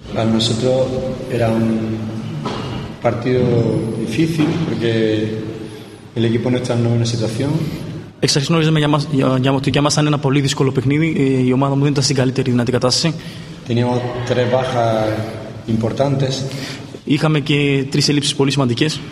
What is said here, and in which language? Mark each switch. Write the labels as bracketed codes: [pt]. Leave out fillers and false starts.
[es] Para nosotros era un partido difícil porque el equipo no está en una situación. [el] Εξ αρχής γνωρίζαμε για Μοτικιάμα σαν ένα πολύ δύσκολο παιχνίδι. Η ομάδα μου δεν ήταν στην καλύτερη δυνατή κατάσταση. [es] Teníamos tres bajas importantes. [el] Είχαμε και τρεις ελλείψεις πολύ σημαντικές.